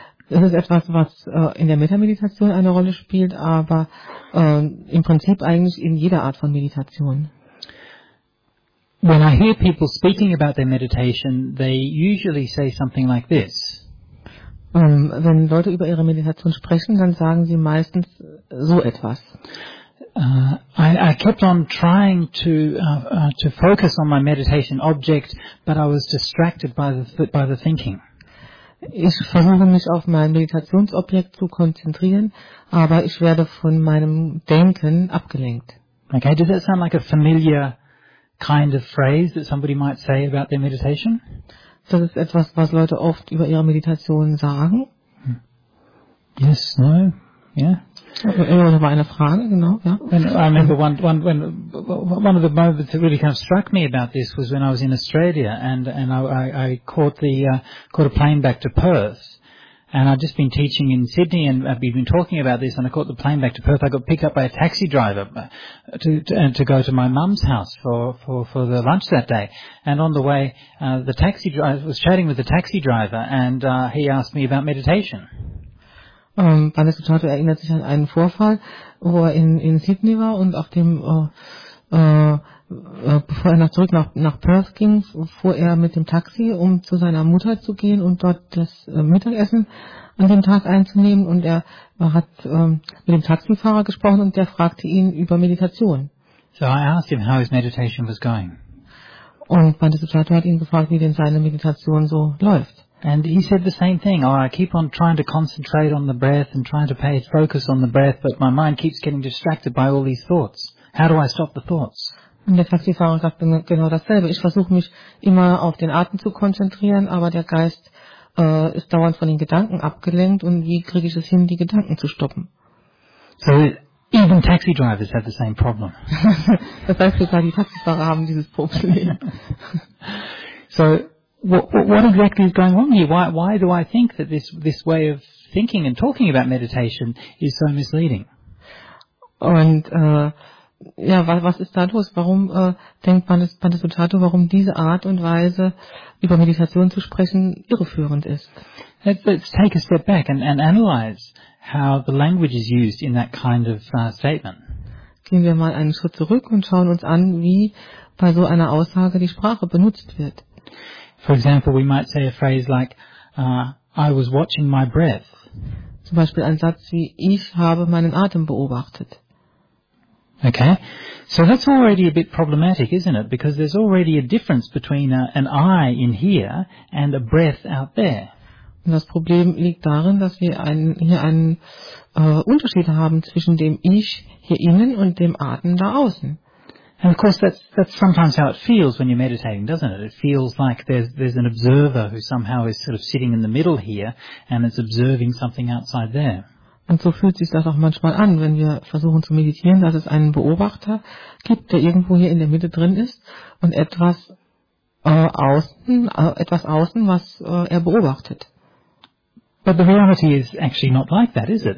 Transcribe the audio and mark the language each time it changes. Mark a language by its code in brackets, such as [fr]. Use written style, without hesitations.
[de] Das ist etwas, was in der Metameditation eine Rolle spielt, aber im Prinzip eigentlich in jeder Art von Meditation. [en] When I hear people speaking about their meditation, they usually say something like this. [de] Wenn Leute über ihre Meditation sprechen, dann sagen sie meistens so etwas. [en] I kept on trying to focus on my meditation object, but I was distracted by the thinking. [de] Ich versuche mich auf mein Meditationsobjekt zu konzentrieren, aber ich werde von meinem Denken abgelenkt. [en] Okay, does that sound like a familiar kind of phrase that somebody might say about their meditation? [de] Das ist etwas, was Leute oft über ihre Meditation sagen. [en] Yes, no, yeah. [de] Oder war eine Frage, genau, ja. [en] When I remember one of the moments that really kind of struck me about this was when I was in Australia and I caught a plane back to Perth. And I'd just been teaching in Sydney and we'd been talking about this and I caught the plane back to Perth. I got picked up by a taxi driver to go to my mum's house for the lunch that day. And on the way, I was chatting with the taxi driver and he asked me about meditation. [de] Banes Kutato erinnert sich an einen Vorfall, wo er in Sydney war und auf dem, bevor er nach zurück nach Perth ging, fuhr er mit dem Taxi, um zu seiner Mutter zu gehen und dort das Mittagessen an dem Tag einzunehmen. Und er hat mit dem Taxifahrer gesprochen und der fragte ihn über Meditation. [en] So I asked him how his meditation was going. [de] Und Bandhisattva hat ihn gefragt, wie denn seine Meditation so läuft. [en] And he said the same thing. Oh, I keep on trying to concentrate on the breath and trying to pay focus on the breath, but my mind keeps getting distracted by all these thoughts. How do I stop the thoughts? [de] Und der Taxifahrer sagt genau dasselbe. Ich versuche mich immer auf den Atem zu konzentrieren, aber der Geist ist dauernd von den Gedanken abgelenkt. Und wie kriege ich es hin, die Gedanken zu stoppen? [en] So, even taxi drivers have the same problem. [de] Das heißt sogar, die Taxifahrer haben dieses Problem. [en] So, what exactly is going wrong here? Why do I think that this way of thinking and talking about meditation is so misleading? [de] Und ja, was ist da los? Warum denkt Bandhisattva, warum diese Art und Weise, über Meditation zu sprechen, irreführend ist? [en] Let's take a step back and analyze how the language is used in that kind of statement. [de] Gehen wir mal einen Schritt zurück und schauen uns an, wie bei so einer Aussage die Sprache benutzt wird. [en] For example, we might say a phrase like, I was watching my breath. [de] Zum Beispiel ein Satz wie, ich habe meinen Atem beobachtet. [en] Okay, so that's already a bit problematic, isn't it? Because there's already a difference between an I in here and a breath out there. [de] Und das Problem liegt darin, dass wir hier einen Unterschied haben zwischen dem Ich hier innen und dem Atem da außen. [en] And of course that's sometimes how it feels when you're meditating, doesn't it? It feels like there's an observer who somehow is sort of sitting in the middle here and it's observing something outside there. [de] Und so fühlt sich das auch manchmal an, wenn wir versuchen zu meditieren, dass es einen Beobachter gibt, der irgendwo hier in der Mitte drin ist und etwas außen, was er beobachtet. [en] But the reality is actually not like that, is it?